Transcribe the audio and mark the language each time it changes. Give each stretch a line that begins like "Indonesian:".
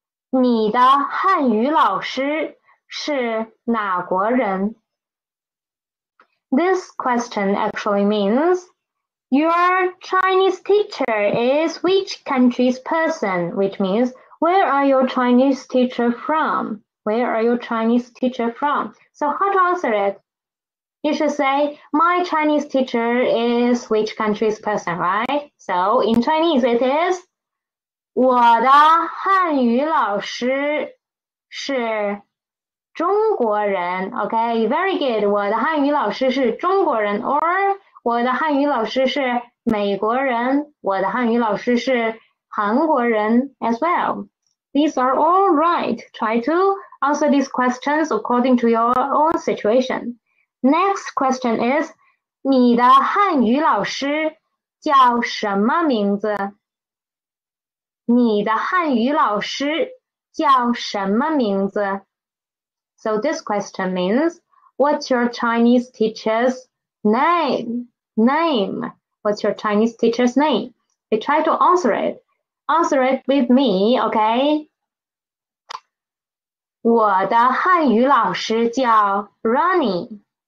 Chinese: 你的汉语老师是哪国人?
English: This question actually means,Your Chinese teacher is which country's person? Which means, where are your Chinese teacher from? Where are your Chinese teacher from? So how to answer it? You should say, my Chinese teacher is which country's person, right? So in Chinese it is,
Chinese: 我的汉语老师是中国人.
English: Okay, very good.
Chinese: 我的汉语老师是中国人. Or,我的汉语老师是美国人,我的汉语老师是韩国人
English: as well. These are all right. Try to answer these questions according to your own situation. Next question is,
Chinese: 你的汉语老师叫什么名字? 你的汉语老师叫什么名字?
English: So this question means, what's your Chinese teacher's name? Name. What's your Chinese teacher's name? You try to answer it. Answer it with me, okay?
Chinese: 我的汉语老师叫 Ronnie.